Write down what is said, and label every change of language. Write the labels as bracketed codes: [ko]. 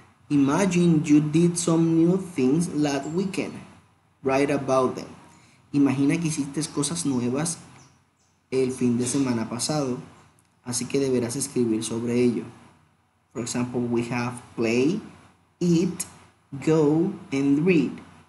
[en] Imagine you did some new things last weekend. Write about them. [es] Imagina que hiciste cosas nuevas el fin de semana pasado. Así que deberás escribir sobre ello. [en] For example, we have play, eat, go, and read.